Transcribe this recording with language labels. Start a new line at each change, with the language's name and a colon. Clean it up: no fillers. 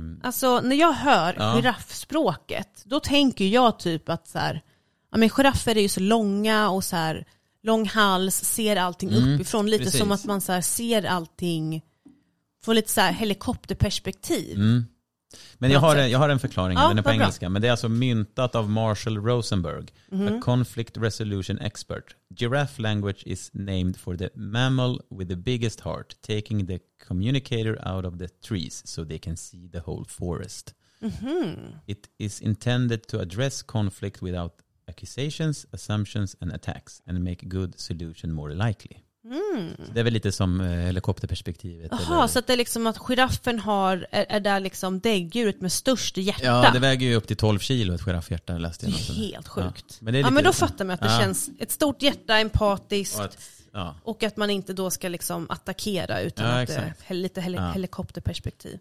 Swedish: Alltså när jag hör giraffspråket, då tänker jag typ att så här, ja, men giraffer är ju så långa och så här lång hals, ser allting uppifrån, lite precis. Som att man så här ser allting... Få lite så här helikopterperspektiv. Mm. Men jag har en förklaring, ja, den är på engelska. Bra. Men det är alltså myntat av Marshall Rosenberg,
English: a conflict resolution expert. Giraffe language is named for the mammal with the biggest heart, taking the communicator out of the trees so they can see the whole forest. Mm-hmm. It is intended to address conflict without accusations, assumptions and attacks and make good solution more likely. Mm.
Swedish: Det är väl lite som helikopterperspektivet. Jaha, så att det är liksom att giraffen är där liksom däggdjuret med störst hjärta. Ja, det väger ju upp till 12 kilo ett giraffhjärta, läste jag. Det är helt sjukt. Ja, men då fattar man att det känns ett stort hjärta, empatiskt och att man inte då ska liksom attackera utan helikopterperspektiv.